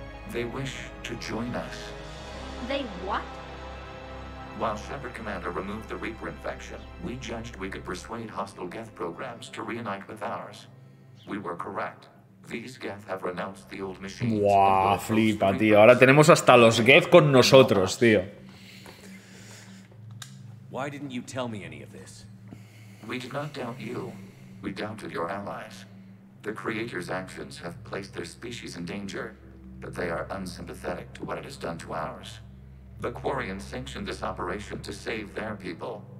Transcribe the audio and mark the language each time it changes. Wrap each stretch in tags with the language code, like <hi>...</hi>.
<en>They wish to join us. They what? While Shepard Commander removed the Reaper infection, we judged we could persuade hostile Geth programs to reunite with ours. We were correct. These Geth have renounced the old machines.</en> <es>Wow, flipa, tío. Ahora tenemos hasta los Geth con nosotros, tío.</es> <en>Why didn't you tell me any of this? We did not doubt you. We doubted your allies. The Creator's actions have placed their species in danger, but they are unsympathetic to what it has done to ours. The Quarians sanctioned this operation to save their people.</en>